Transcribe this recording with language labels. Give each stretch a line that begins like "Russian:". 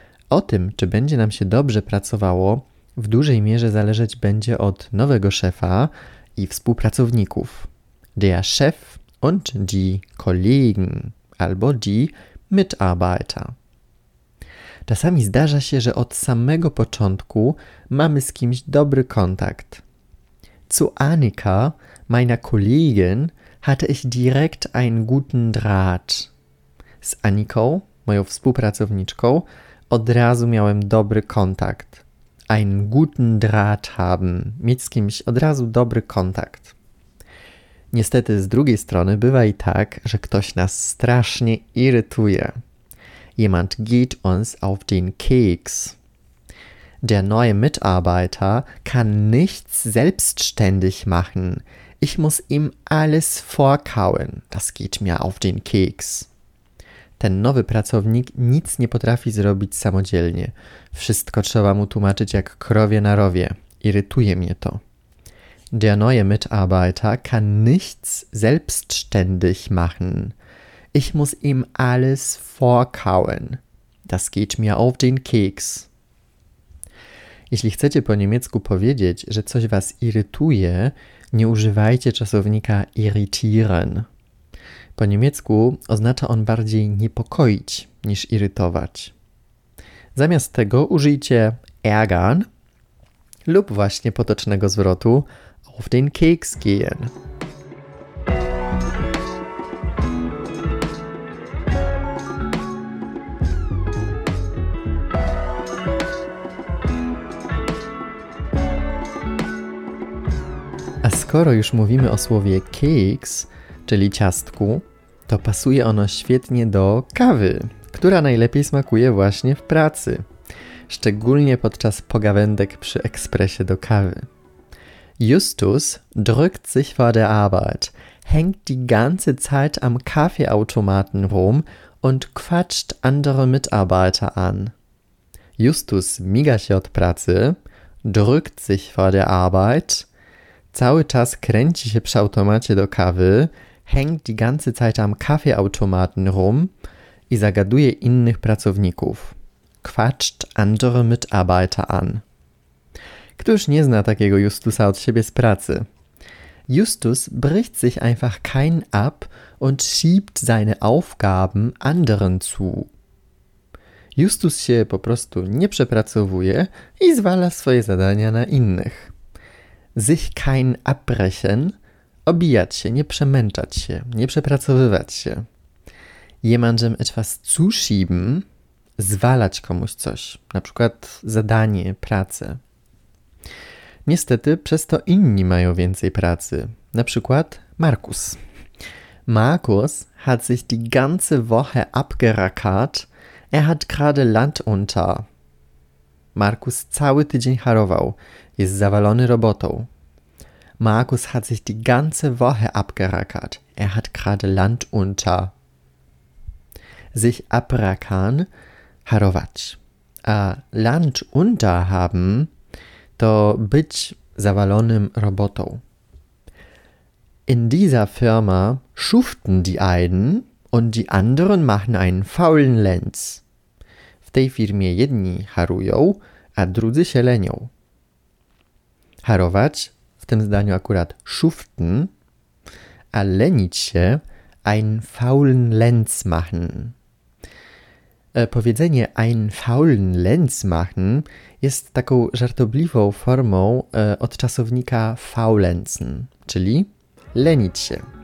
Polish: O tym, czy będzie nam się dobrze pracowało, w dużej mierze zależeć będzie od nowego szefa i współpracowników.
German: Der Chef und die Kollegen albo die Mitarbeiter.
Polish: Czasami zdarza się, że od samego początku mamy z kimś dobry kontakt.
German: Zu Annika, meiner Kollegin, hatte ich direkt einen guten Draht.
Polish: Z Aniką, moją współpracowniczką, od razu miałem dobry kontakt.
German: Einen guten Draht haben.
Polish: Mieć z kimś od razu dobry kontakt. Niestety z drugiej strony bywa i tak, że ktoś nas strasznie irytuje.
German: Jemand geht uns auf den Keks. Der neue Mitarbeiter kann nichts selbstständig machen. Ich muss ihm alles vorkauen. Das geht mir auf den Keks.
Polish: Ten nowy pracownik nic nie potrafi zrobić samodzielnie. Wszystko trzeba mu tłumaczyć jak krowie na rowie. Irytuje mnie to.
German: Der neue Mitarbeiter kann nichts selbstständig machen. Ich muss ihm alles vorkauen. Das geht mir auf den Keks.
Polish: Jeśli chcecie po niemiecku powiedzieć, że coś was irytuje, nie używajcie czasownika irritieren. Po niemiecku oznacza on bardziej niepokoić niż irytować. Zamiast tego użyjcie ärgern lub właśnie potocznego zwrotu
German: auf den Keks gehen.
Polish: Skoro już mówimy o słowie cakes, czyli ciastku, to pasuje ono świetnie do kawy, która najlepiej smakuje właśnie w pracy. Szczególnie podczas pogawędek przy ekspresie do kawy.
German: Justus drückt sich vor der Arbeit, hängt die ganze Zeit am Kaffeeautomaten rum und quatscht andere Mitarbeiter an.
Polish: Justus miga się od pracy,
German: drückt sich vor der Arbeit,
Polish: cały czas kręci się przy automacie do kawy,
German: hängt die ganze Zeit am Kaffeeautomaten rum
Polish: i zagaduje innych pracowników.
German: Quatscht andere Mitarbeiter an.
Polish: Któż nie zna takiego Justusa od siebie z pracy?
German: Justus bricht sich einfach keinen ab und schiebt seine Aufgaben anderen zu.
Polish: Justus się po prostu nie przepracowuje i zwala swoje zadania na innych.
German: Sich kein abbrechen,
Polish: obijać się, nie przemęczać się, nie przepracowywać się.
German: Jemandem etwas zuschieben,
Polish: zwalać komuś coś, na przykład zadanie, pracę. Niestety przez to inni mają więcej pracy, na przykład Markus.
German: Markus hat sich die ganze Woche abgerackert, er hat gerade Land unter.
Polish: Markus cały tydzień harował, jest zawalony robotą.
German: Markus hat sich die ganze Woche abgerackert. Er hat gerade Land unter. Sich abrackern, harować.
Polish: A
German: Land unter haben,
Polish: to być zawalonym robotą.
German: In dieser Firma schuften die einen und die anderen machen einen faulen Lenz.
Polish: W tej firmie jedni harują, a drudzy się lenią. Harować, w tym zdaniu akurat schuften, a lenić się,
German: einen faulen Lenz machen.
Polish: Powiedzenie
German: einen faulen Lenz machen
Polish: jest taką żartobliwą formą od czasownika faulenzen, czyli lenić się.